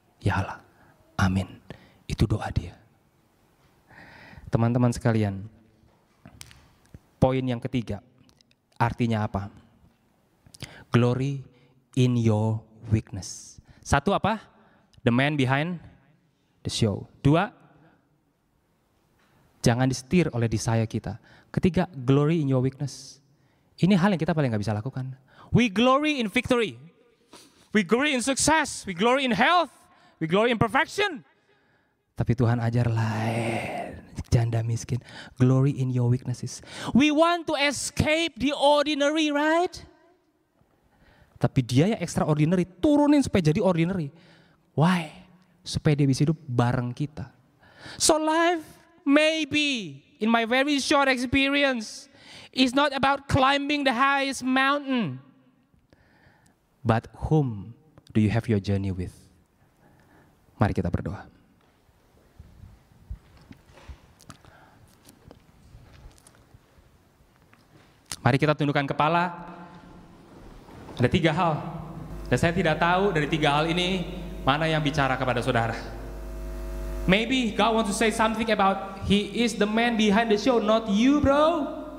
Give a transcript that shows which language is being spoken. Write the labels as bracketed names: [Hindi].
[Indonesian] Ya Allah, amin. Itu doa dia. Teman-teman sekalian, poin yang ketiga, artinya apa? [English] Glory in your weakness. [Indonesian] Satu apa? [English] The man behind the show. [Indonesian] Dua, jangan disetir oleh desire kita. [English] Ketiga, glory in your weakness. [Indonesian] Ini hal yang kita paling gak bisa lakukan. [English] We glory in victory. We glory in success. We glory in health. We glory in perfection. [Indonesian] Tapi Tuhan ajar lain. Janda miskin. [English] Glory in your weaknesses. We want to escape the ordinary, right? [Indonesian] Tapi dia ya extraordinary, turunin supaya jadi ordinary. [English] Why? [Indonesian] Supaya dia bisa hidup bareng kita. [English] So life, maybe, in my very short experience, is not about climbing the highest mountain. But whom do you have your journey with? [Indonesian] Mari kita berdoa. Mari kita tundukkan kepala. Ada tiga hal. Dan saya tidak tahu dari tiga hal ini mana yang bicara kepada saudara. [English] Maybe God wants to say something about He is the man behind the show, not you, bro.